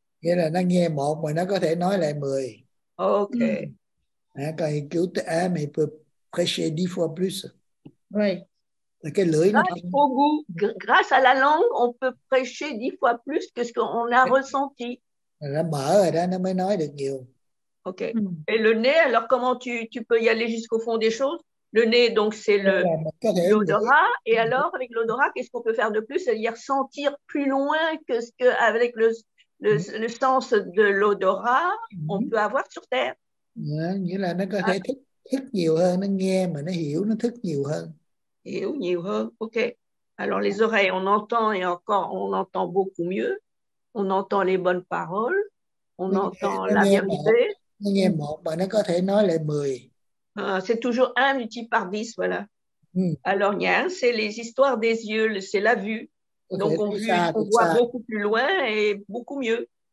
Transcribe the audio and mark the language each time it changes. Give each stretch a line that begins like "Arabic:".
Vietnamese: Nghĩa là nó nghe một, mà nó có thể nói lại mười. Ok. Mm.
French: Quand il goûte un, mais il peut prêcher 10 fois plus. Oui.
Vietnamese: cái lưỡi nó
French: grâce au goût, grâce à la langue, on peut prêcher 10 fois plus que ce qu'on a ressenti.
Vietnamese: Nó mở rồi đó, nó mới nói được nhiều. Ok. Mm.
French: Et le nez, alors comment tu peux y aller jusqu'au fond des choses? Le nez, donc c'est l'odorat. Et alors, avec l'odorat, qu'est-ce qu'on peut faire de plus? C'est-à-dire sentir plus loin que ce qu'avec le sens de l'odorat, on peut avoir sur Terre.
Vietnamese: Nghĩa là nó có thể thức nhiều hơn, nó nghe mà nó hiểu, nó thức nhiều hơn. Hiểu nhiều hơn, ok.
French: Alors les oreilles, on entend et encore, on entend beaucoup mieux. On entend les bonnes paroles. On entend la vérité.
Vietnamese: Nó nghe một, mà nó có thể nói lại mười.
French: C'est toujours un multiplié par 10, voilà. Alors, nhiens, c'est les histoires des yeux, c'est la vue. Donc, on voit beaucoup plus loin et beaucoup mieux.